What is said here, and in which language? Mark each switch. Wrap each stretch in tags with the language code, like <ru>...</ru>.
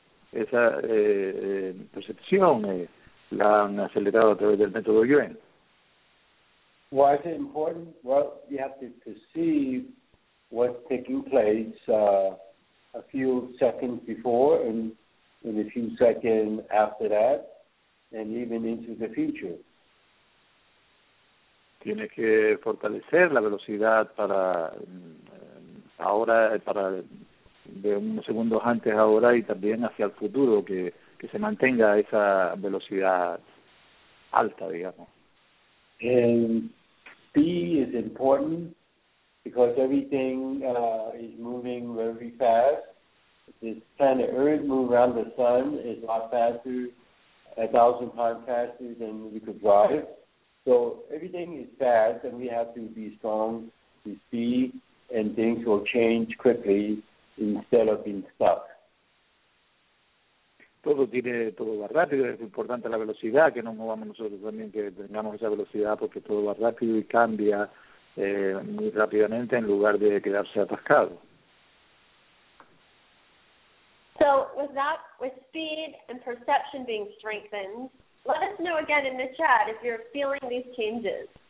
<es>Percepción la han acelerado a través del método Yuen.</es> <en>Why is it important? Well, you have to perceive what's taking place a few seconds before and a few seconds after that. And even into the future.</en> <es>Tiene que fortalecer la velocidad para ahora, para de unos segundos antes ahora y también hacia el futuro, que se mantenga esa velocidad alta, digamos.</es> <en>And B is important because everything is moving very fast. This planet Earth moving around the sun is a lot faster, 1,000 times faster than we could drive. So everything is fast, and we have to be strong, to see, and things will change quickly instead of being stuck.</en> <es>Todo va rápido. Es importante la velocidad, que nos movamos nosotros también, que tengamos esa velocidad, porque todo va rápido y cambia muy rápidamente en lugar de quedarse atascado.</es> <en>So with speed and perception being strengthened, let us know again in the chat if you're feeling these changes.</en>